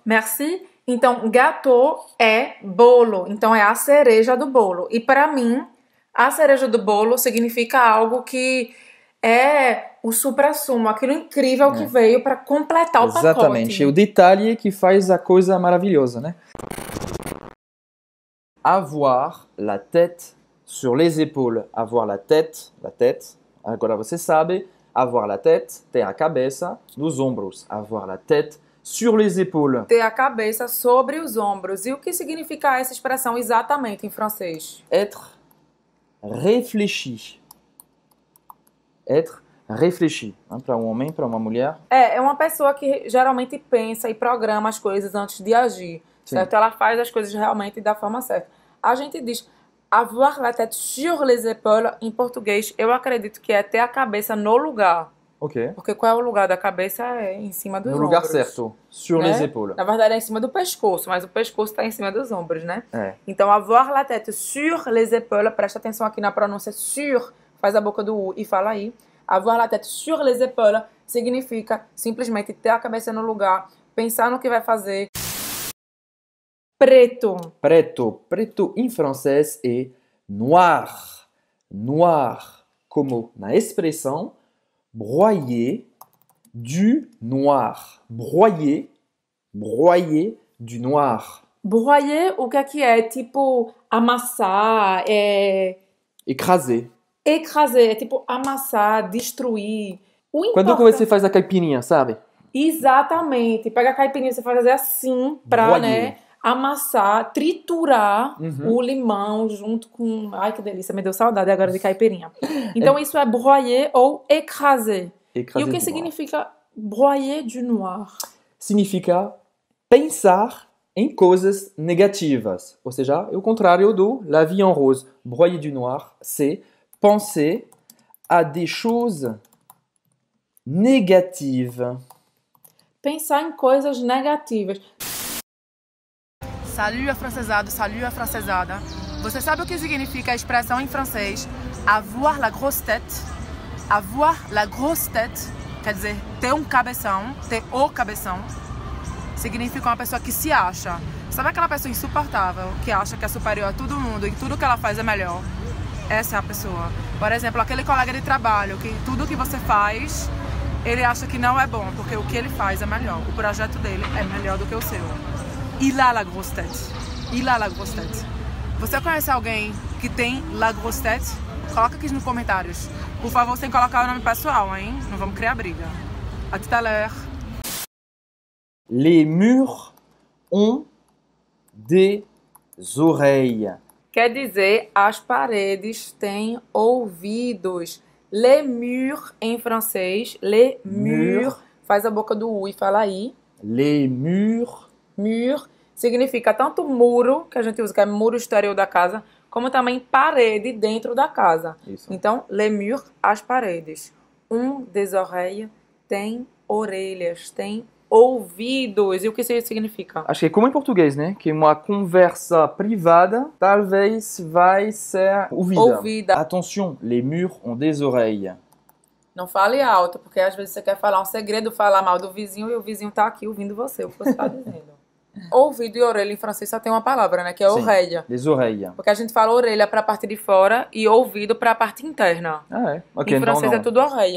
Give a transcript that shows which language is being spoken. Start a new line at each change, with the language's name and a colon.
Portuguese: Merci. Então, gâteau é bolo. Então, é a cereja do bolo. E para mim, a cereja do bolo significa algo que é o suprassumo, aquilo incrível que veio para completar o exatamente. Pacote. Exatamente. O detalhe que faz a coisa maravilhosa, né?
French: Avoir la tête sur les épaules. Avoir la tête,
Portuguese: agora você sabe.
French: Avoir la tête,
Portuguese: ter a cabeça nos ombros.
French: Avoir la tête sur les épaules.
Portuguese: Ter a cabeça sobre os ombros. E o que significa essa expressão exatamente em francês?
French: Être réfléchi. Être réfléchi.
Portuguese: Para um homem, para uma mulher. É uma pessoa que geralmente pensa e programa as coisas antes de agir. Sim. Certo? Ela faz as coisas realmente da forma certa. A gente diz
French: avoir la tête sur les épaules
Portuguese: em português. Eu acredito que é ter a cabeça no lugar. Ok. Porque qual é o lugar da cabeça? É em cima dos ombros. No lugar certo.
French: Sur les épaules.
Portuguese: Na verdade é em cima do pescoço, mas o pescoço está em cima dos ombros, né? É.
French: Então avoir la tête sur les épaules.
Portuguese: Presta atenção aqui na pronúncia sur. Faz a boca do U e fala aí.
French: Avoir la tête sur les épaules
Portuguese: significa simplesmente ter a cabeça no lugar, pensar no que vai fazer. Preto. Preto. Preto em francês é noir. Noir. Como na expressão,
French: broyer du noir. Broyer. Broyer du noir.
Portuguese: Broyer, o que é? Tipo, amassar, é...
French: Écraser.
Portuguese: Écraser, é tipo amassar, destruir. O quando você faz a caipirinha, sabe? Exatamente. Pega a caipirinha e você faz assim pra, broyer. Né... amassar, triturar o limão junto com... Ai, que delícia, me deu saudade agora de caipirinha. Então, isso é broyer ou écraser.
French: Écraser.
Portuguese: E o que significa
French: broyer du noir?
Portuguese: Significa pensar em coisas negativas. Ou seja, é o contrário do
French: la vie en rose. Broyer du noir, c'est penser à des choses négatives.
Portuguese: Pensar em coisas negativas. Salut, afrancesado, salut, afrancesada. Você sabe o que significa a expressão em francês
French: avoir la grosse tête? Avoir la grosse tête
Portuguese: quer dizer ter um cabeção, ter o cabeção. Significa uma pessoa que se acha. Sabe aquela pessoa insuportável que acha que é superior a todo mundo e tudo que ela faz é melhor? Essa é a pessoa. Por exemplo, aquele colega de trabalho que tudo que você faz, ele acha que não é bom, porque o que ele faz é melhor. O projeto dele é melhor do que o seu.
French: Il a la grosse tête. Il a la grosse tête.
Portuguese: Você conhece alguém que tem
French: la grosse tête?
Portuguese: Coloca aqui nos comentários. Por favor, sem colocar o nome pessoal, hein? Não vamos criar briga.
French: A tout à l'heure. Les murs ont des oreilles.
Portuguese: Quer dizer, as paredes têm ouvidos. Les murs em francês. Les murs. Faz a boca do U e fala aí.
French: Les murs.
Portuguese: Mur significa tanto muro, que a gente usa, que é muro exterior da casa, como também parede dentro da casa. Isso. Então,
French: les murs,
Portuguese: as paredes.
French: Un des oreilles
Portuguese: tem orelhas, tem ouvidos. E o que isso significa? Acho que é como em português, né? Que uma conversa privada talvez vai ser ouvida. Ouvida.
French: Attention, les murs ont des oreilles.
Portuguese: Não fale alto, porque às vezes você quer falar um segredo, falar mal do vizinho e o vizinho tá aqui ouvindo você, o que você tá dizendo. Ouvido e orelha em francês só tem uma palavra, né? Que é Sim,
French: oreille. les oreilles.
Portuguese: Porque a gente fala orelha para a parte de fora e ouvido para a parte interna. Ah, é? Em Ok, francês é não, não. tudo oreille,